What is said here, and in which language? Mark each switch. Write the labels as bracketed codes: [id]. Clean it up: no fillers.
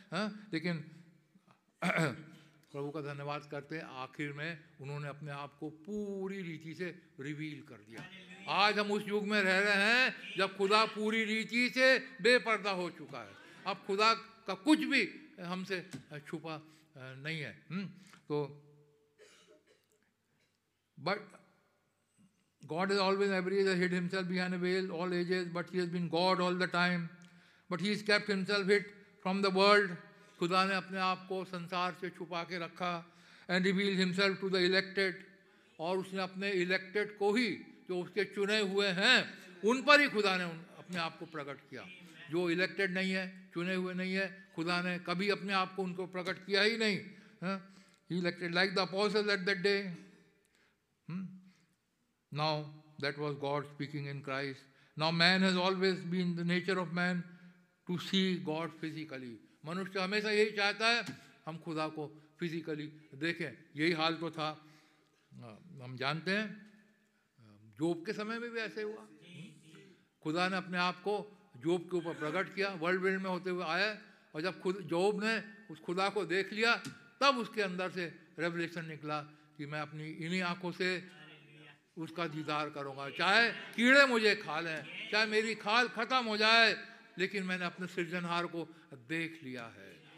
[hi] लेकिन प्रभु का धन्यवाद करते हैं, आखिर में उन्होंने अपने आप को पूरी रीति से रिवील कर दिया। आज हम उस युग में रह रहे हैं जब खुदा पूरी रीति से बेपर्दा हो चुका है, अब खुदा का कुछ भी हमसे छुपा नहीं है। तो but [en] God is always every age hid himself behind a veil all ages, but he has been God all the time. But he has kept himself hid from the world. [hi] खुदा ने अपने आप को संसार से छुपा के रखा, [en] and revealed himself to the elected. [hi] और उसने अपने elected को ही, जो उसके चुने हुए हैं, उन पर ही खुदा ने अपने आप को प्रकट किया। जो elected नहीं है, चुने हुए नहीं है, खुदा ने कभी अपने आप को उनको प्रकट किया ही नहीं। [en] He elected like the apostles at that day. Now that was God speaking in Christ. Now man has always been the nature of man to see God physically. [hi] मनुष्य हमेशा यही चाहता है हम खुदा को physically देखें। यही हाल तो था, हम जानते हैं जोब के समय में भी ऐसे हुआ। खुदा ने अपने आप को जोब के ऊपर प्रकट किया, वर्ल्ड विंड में होते हुए आया, और जब खुद जोब ने उस खुदा को देख लिया तब उसके अंदर से रेवलेशन निकला कि मैं अपनी इन्हीं आँखों से उसका दीदार करूंगा, चाहे कीड़े मुझे खा लें, चाहे मेरी खाल खत्म हो जाए, लेकिन मैंने अपने सृजनहार को देख लिया है।